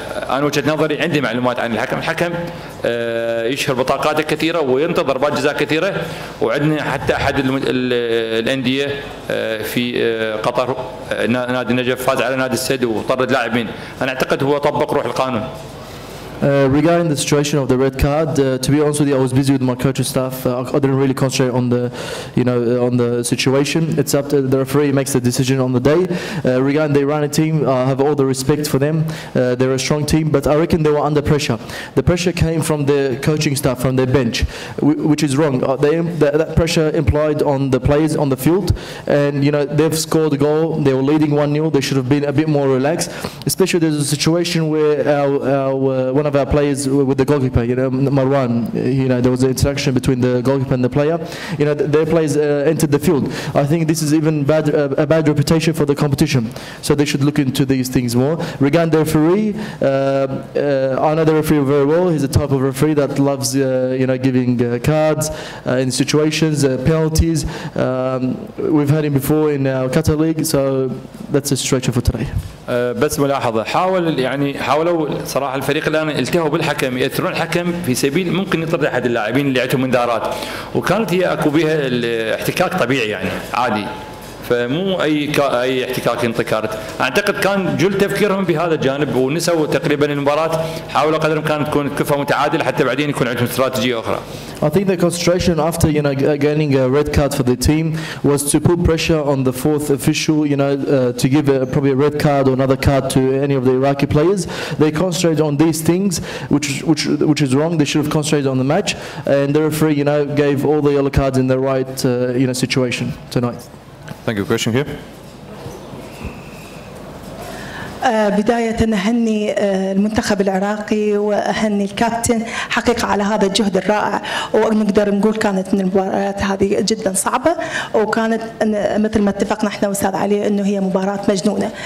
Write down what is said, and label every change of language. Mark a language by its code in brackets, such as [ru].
[ar] انا وجهه نظري عندي معلومات عن الحكم يشهر بطاقات كثيره وينتظر بعد جزاء كثيره وعندنا حتى احد الانديه في قطر نادي النجف فاز على نادي السد وطرد لاعبين انا اعتقد هو طبق روح القانون [en] Regarding the situation of the red card, to be honest with you, I was busy with my coaching staff. I didn't really concentrate on the, you know, on the situation. It's up to the referee makes the decision on the day. Regarding the Iranian team, I have all the respect for them. They're a strong team, but I reckon they were under pressure. The pressure came from the coaching staff, from their bench, which is wrong. That pressure implied on the players on the field, and you know they've scored a goal. They were leading 1-0. They should have been a bit more relaxed, especially there's a situation where one of our players with the goalkeeper, you know, Marwan, you know, there was an interaction between the goalkeeper and the player. You know, their players entered the field. I think this is even a bad reputation for the competition. So they should look into these things more. Regarding the referee, I know the referee very well. He's a type of referee that loves, you know, giving cards in situations, penalties. We've had him before in our Qatar League. So that's a stretcher for today. [ar] بس ملاحظه حاولوا صراحه الفريق الان التهوا بالحكم ياثرون الحكم في سبيل ممكن يطرد احد اللاعبين اللي عندهم انذارات وكانت هي اكو بها الاحتكاك طبيعي يعني عادي فمو اي اي احتكاك ينطي كارت. اعتقد كان جل تفكيرهم بهذا الجانب ونسوا تقريبا المباراه، حاولوا قدر الامكان تكون كفه متعادله حتى بعدين يكون عندهم استراتيجيه اخرى. [en] I think the concentration after you know getting a red card for the team was to put pressure on the fourth official, you know, to give a, probably a red card or another card to any of the Iraqi players. They concentrated on these things, which is wrong. They should have concentrated on the match, and the referee, you know, gave all the yellow cards in the right you know situation tonight. Thank you. Question here. [ar] بداية أهني المنتخب العراقي وأهني الكابتن حقيقة على هذا الجهد الرائع، ونقدر نقول كانت من المباريات هذه جدا صعبة، وكانت مثل ما اتفقنا احنا وأستاذ علي أنه هي مباراة مجنونة.